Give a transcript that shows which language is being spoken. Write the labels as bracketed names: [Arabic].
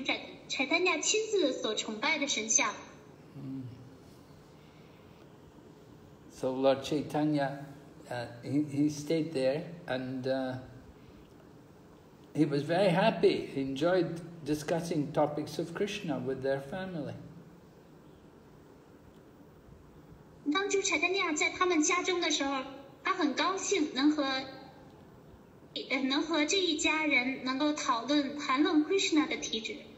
[Chinese] 崇拜着就是加德纳的神像，他们说当主产丹亚拉巴布在那里的时候呢，这些神像是主产丹亚亲自所崇拜的神像。 [English] So Lord Chaitanya, he stayed there and he was very happy. He enjoyed discussing topics of Krishna with their family. [Chinese] 当主产丹亚在他们家中的时候，他很高兴能和这一家人能够讨论谈论 Krishna 的题旨。